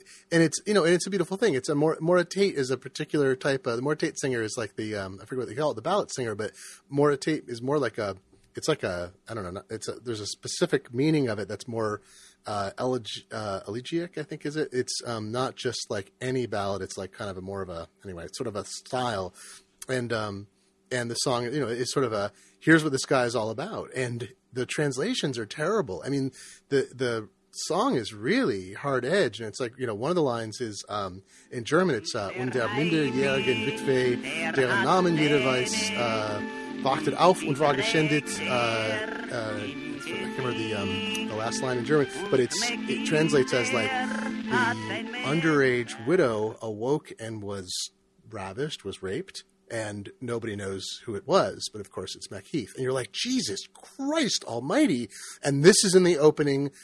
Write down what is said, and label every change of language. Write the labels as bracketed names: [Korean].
[English] It's a beautiful thing. It's a Maura Tate is a particular type of, the Maura Tate singer is like the, I forget what they call it, the ballad singer, but Maura Tate is more like a, it's like a, I don't know, it's a, there's a specific meaning of it that's more elegiac, I think, is it? It's not just like any ballad. It's like kind of a more of a, anyway, it's sort of a style. And the song, you know, is sort of a, here's what this guy is all about. And the translations are terrible. I mean, the song is really hard edge. And it's like, you know, one of the lines is in German, it's [German] Und der Minderjährigen Witwe, deren Namen jeder weiß, wachtet auf und war geschändet. [English] I can't remember the last line in German, but it translates as like the underage widow awoke and was ravished, was raped, and nobody knows who it was, but of course it's McKeith. And you're like, Jesus Christ almighty. And this is in the opening.